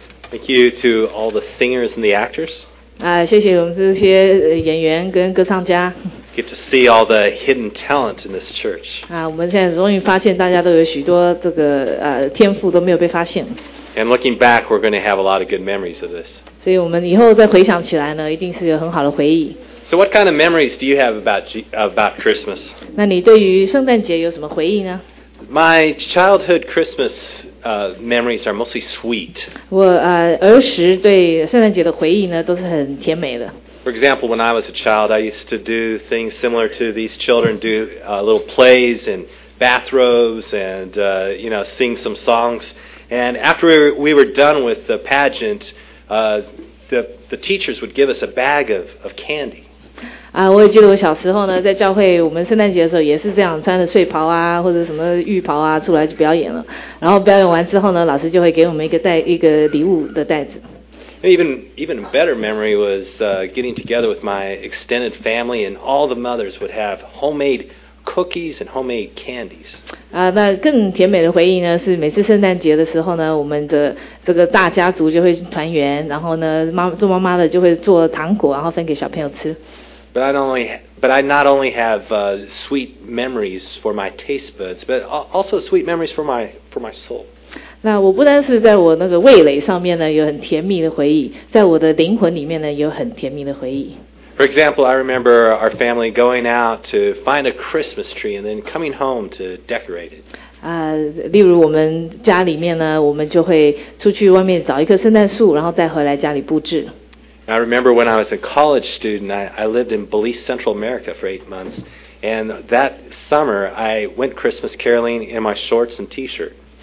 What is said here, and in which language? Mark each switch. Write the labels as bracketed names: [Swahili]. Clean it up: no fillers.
[English] Thank you to all the singers and the actors. [Chinese] 谢谢我们这些演员跟歌唱家。 [English] Get to see all the hidden talent in this church. [Chinese] 我们现在终于发现大家都有许多这个天赋都没有被发现。 [English] And looking back, we're going to have a lot of good memories of this. [Chinese] 所以我们以后再回想起来呢，一定是有很好的回忆。 [English] So what kind of memories do you have about Christmas? [Chinese] 那你对于圣诞节有什么回忆呢？ [English] My childhood Christmas memories are mostly sweet. [Chinese] 我儿时对圣诞节的回忆呢都是很甜美的。 [English] For example, when I was a child, I used to do things similar to these children, do little plays and bathrobes and you know, sing some songs. And after we were done with the pageant, the teachers would give us a bag of candy. [Chinese] 我也记得我小时候呢，在教会我们圣诞节的时候也是这样，穿着睡袍啊，或者什么浴袍啊，出来就表演了。然后表演完之后呢，老师就会给我们一个礼物的袋子。 [English] Even a better memory was getting together with my extended family, and all the mothers would have homemade cookies and homemade candies. [Chinese] 那更甜美的回忆呢，是每次圣诞节的时候呢，我们的这个大家族就会团圆，然后呢，做妈妈的就会做糖果，然后分给小朋友吃。 [English] But I not only have sweet memories for my taste buds, but also sweet memories for my soul. [Chinese] 那我不单是在我那个味蕾上面呢有很甜蜜的回忆，在我的灵魂里面呢有很甜蜜的回忆。 [English] For example, I remember our family going out to find a Christmas tree and then coming home to decorate it. [Chinese] 例如我们家里面呢，我们就会出去外面找一棵圣诞树，然后带回来家里布置。 [English] I remember when I was a college student, I lived in Belize, Central America for 8 months. And that summer, I went Christmas caroling in my shorts and t-shirt.